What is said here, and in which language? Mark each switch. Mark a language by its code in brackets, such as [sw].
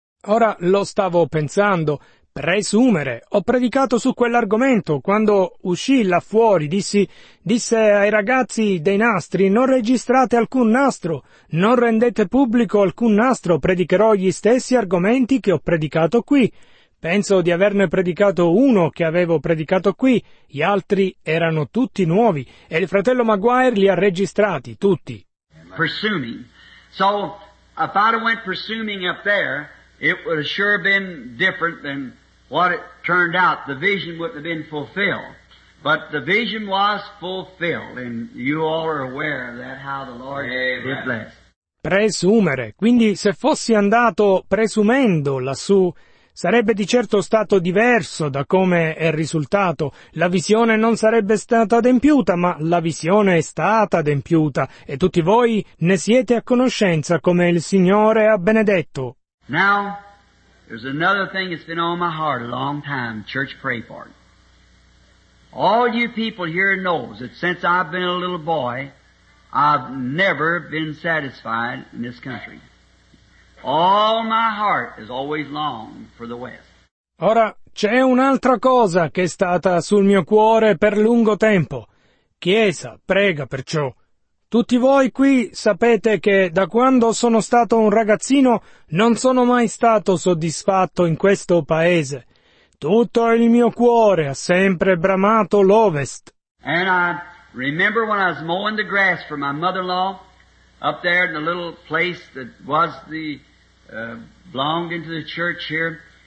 [it] Ora lo stavo pensando. Presumere. Ho predicato su quell'argomento. Quando uscì là fuori, disse ai ragazzi dei nastri, non registrate alcun nastro, non rendete pubblico alcun nastro, predicherò gli stessi argomenti che ho predicato qui. Penso di averne predicato uno che avevo predicato qui, gli altri erano tutti nuovi, e il fratello Maguire li ha registrati, tutti. [en] Presuming. So, if I went presuming up there, it would have sure been different than what it turned out. The vision wouldn't have been fulfilled. But the vision was fulfilled, and you all are aware of that, how the Lord did bless. [it] Presumere. Quindi, se fossi andato presumendo lassù, sarebbe di certo stato diverso da come è risultato. La visione non sarebbe stata adempiuta, ma la visione è stata adempiuta, e tutti voi ne siete a conoscenza come il Signore ha benedetto. [en] Now, there's another thing that's been on my heart a long time, church, pray for it. All you people here knows that since I've been a little boy, I've never been satisfied in this country. All my heart is always longed for the West. [it] Ora, c'è un'altra cosa che è stata sul mio cuore per lungo tempo. Chiesa, prega perciò. Tutti voi qui sapete che da quando sono stato un ragazzino non sono mai stato soddisfatto in questo paese. Tutto il mio cuore ha sempre bramato l'Ovest. [en] And I remember when I was mowing the grass for my mother-in-law up there in the little place that was the belonged into the church here.